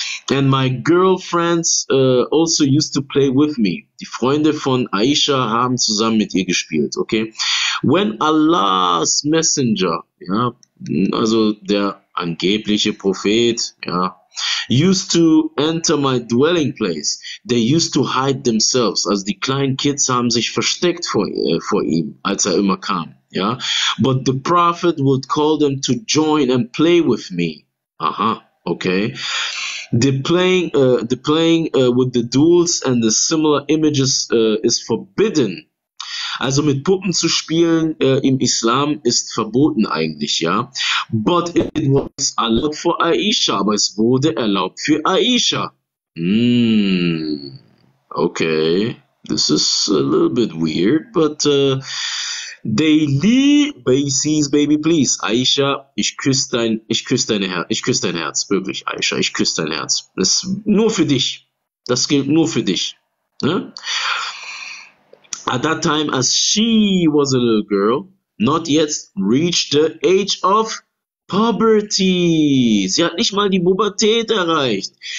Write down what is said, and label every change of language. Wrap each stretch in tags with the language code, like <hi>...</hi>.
<en>And my girlfriends also used to play with me.</en> <de>Die Freunde von Aisha haben zusammen mit ihr gespielt, okay.</de> <en>When Allah's Messenger,</en> <de>ja, also der angebliche Prophet, ja.</de> <en>Used to enter my dwelling place. They used to hide themselves.</en> <de>Also die kleinen Kids haben sich versteckt vor ihm, als er immer kam.</de> <en>Ja, but the prophet would call them to join and play with me. Aha, okay. The playing with the dolls and the similar images is forbidden.</en> <de>Also mit Puppen zu spielen im Islam ist verboten eigentlich, ja.</de> <en>But it was allowed for Aisha,</en> <de>aber es wurde erlaubt für Aisha.</de> <en>Okay, this is a little bit weird, but Daily Basis, baby, please.</en> <de>Aisha, ich küsse dein Herz, wirklich, Aisha, ich küsse dein Herz. Das ist nur für dich. Das gilt nur für dich. Ne?</de> <en>At that time, as she was a little girl, not yet reached the age of puberty.</en> <de>Sie hat nicht mal die Pubertät erreicht.</de>